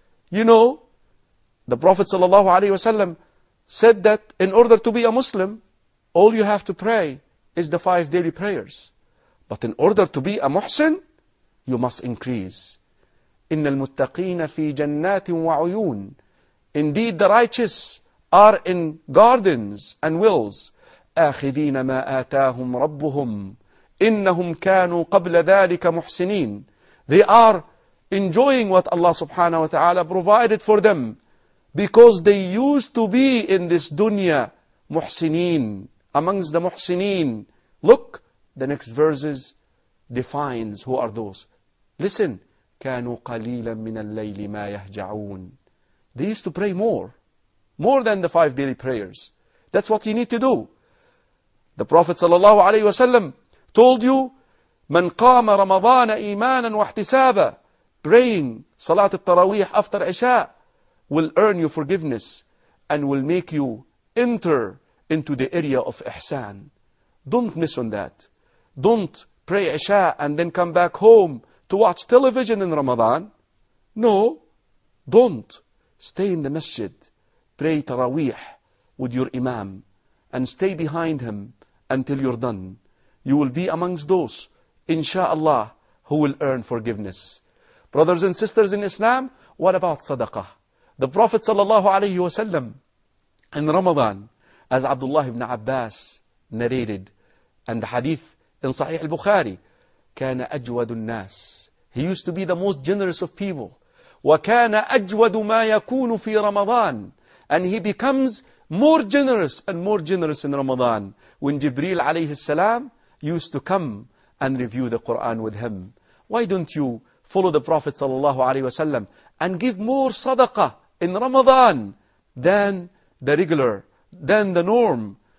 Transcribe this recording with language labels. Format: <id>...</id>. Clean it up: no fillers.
<en>You know, the Prophet sallallahu alaihi wasallam said that in order to be a Muslim, all you have to pray is the 5 daily prayers. But in order to be a muhsin, you must increase.</en> <ar>إِنَّ الْمُتَّقِينَ فِي جَنَّاتٍ وَعُيُونَ.</ar> <en>Indeed, the righteous are in gardens and wells.</en> <ar>آخذين ما آتاهم ربهم إنهم كانوا قبل ذلك محسنين.</ar> <en>They are enjoying what Allah subhanahu wa ta'ala provided for them because they used to be in this dunya محسنين, amongst the محسنين. Look, the next verses defines who are those. Listen.</en> <ar>كانوا قليلا من الليل ما يهجعون.</ar> <en>They used to pray more than the 5 daily prayers. That's what you need to do. The Prophet sallallahu alaihi wasallam told you,</en> <ar>من قام رمضان إيمانا واحتسابا,</ar> <en>praying</en> <ar>صلاة التراويح</ar> <en>after عشاء, will earn you forgiveness and will make you enter into the area of ihsan. Don't miss on that. Don't pray عشاء and then come back home to watch television in Ramadan. No, don't. Stay in the masjid. Pray taraweeh with your imam and stay behind him until you're done. You will be amongst those, insha'Allah, who will earn forgiveness. Brothers and sisters in Islam, what about sadaqah? The Prophet sallallahu alayhi wa sallam in Ramadan, as Abdullah ibn Abbas narrated, and the hadith in Sahih al-Bukhari,</en> <ar>كان أجود الناس.</ar> <en>He used to be the most generous of people.</en> <ar>وكان أجود ما يكون في رمضان.</ar> <en>And he becomes more generous and more generous in Ramadan. When Jibreel عليه السلام used to come and review the Quran with him. Why don't you follow the Prophet صلى الله عليه وسلم and give more sadaqah in Ramadan than the regular, than the norm?</en>